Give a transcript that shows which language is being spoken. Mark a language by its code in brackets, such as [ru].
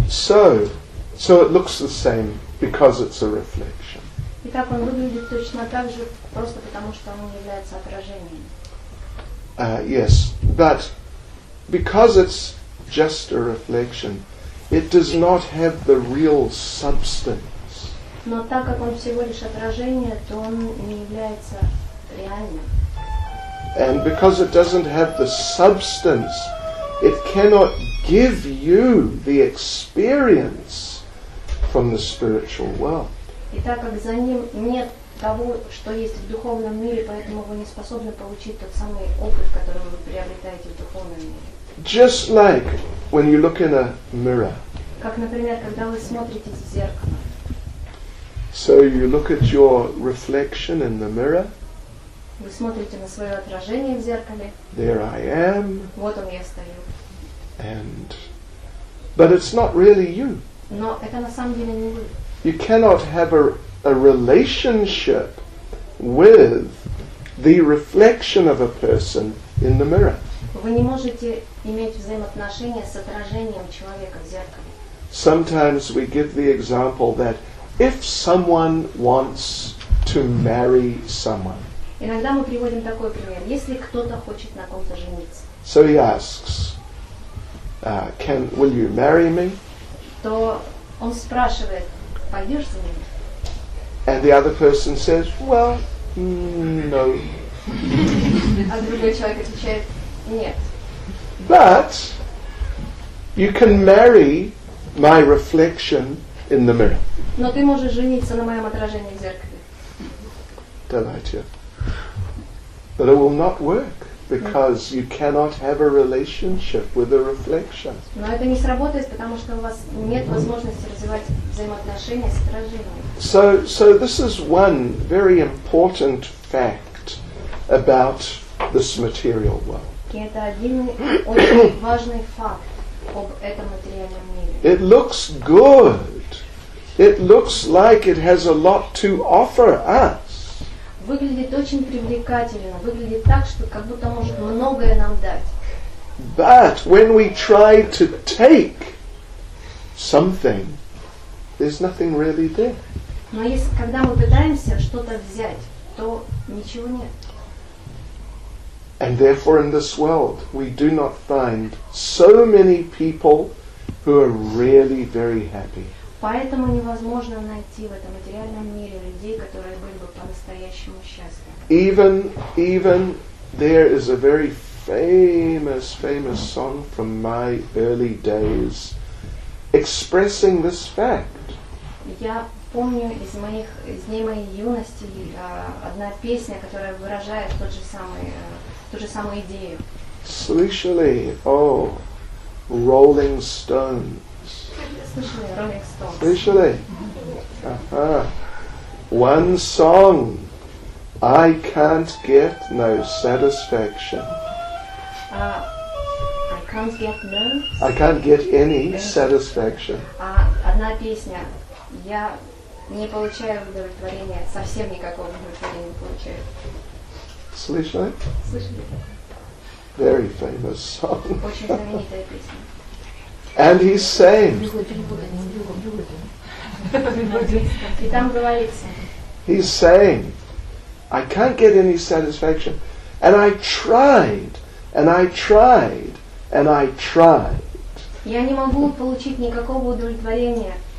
[en] So it looks the same because it's a reflection. [ru] Итак, он выглядит точно так же, просто потому что он является отражением. [en] Yes. But because it's just a reflection, it does not have the real substance. [ru] Но так как он всего лишь отражение, то он не является реальным. [en] And because it doesn't have the substance, it cannot give you the experience from the spiritual world. [ru] И так как за ним нет того, что есть в духовном мире, поэтому вы не способны получить тот самый опыт, который вы приобретаете в духовном мире. [en] Just like when you look in a mirror. [ru] Как, например, когда вы смотрите в зеркало. [en] So you look at your reflection in the mirror. [ru] Вы смотрите на свое отражение в зеркале. [en] There I am. [ru] Вот он, я стою. [en] And, but it's not really you. [ru] Но это на самом деле не вы. [en] You cannot have a relationship with the reflection of a person in the mirror. [ru] Вы не можете иметь взаимоотношения с отражением человека в зеркале. [en] Sometimes we give the example that if someone wants to marry someone. [ru] Иногда мы приводим такой пример. Если кто-то хочет на ком-то жениться. [en] So he asks, will you marry me? [ru] То он спрашивает, пойдешь за меня? [en] And the other person says, well, no. [ru] А другой человек отвечает, нет. [en] But you can marry my reflection in the mirror. [ru] Но ты можешь жениться на моем отражении в зеркале. Давайте. [en] But it will not work because you cannot have a relationship with the reflection. [ru] Но это не сработает, потому что у вас нет возможности развивать взаимоотношения с отражением. [en] So this is one very important fact about this material world. [ru] И это один очень важный факт об этом материальном мире. [en] It looks good. It looks like it has a lot to offer us. [ru] Выглядит очень привлекательно. Выглядит так, что как будто может многое нам дать. [en] But when we try to take something, there's nothing really there. [ru] Но если когда мы пытаемся что-то взять, то ничего нет. [en] And therefore in this world we do not find so many people who are really very happy. [ru] Поэтому невозможно найти в этом материальном мире людей, которые были бы по-настоящему счастливы. [en] Even there is a very famous song from my early days expressing this fact. [ru] Я помню из дней моей юности одна песня, которая выражает ту же самую идею. Слышали? Oh, Rolling Stones. Слышали Rolling Stones? Слышали? [en] Uh-huh. One song. I can't get no satisfaction. I can't get any satisfaction. [ru] Одна песня. Я не получаю удовлетворения. Совсем никакого удовлетворения не получаю. Слышали? Слышали. [en] Very famous song. [ru] Очень знаменитая песня. [en] And he's saying. [ru] И там говорится. [en] He's saying, I can't get any satisfaction. And I tried, and I tried, and I tried. [ru] Я не могу получить никакого удовлетворения.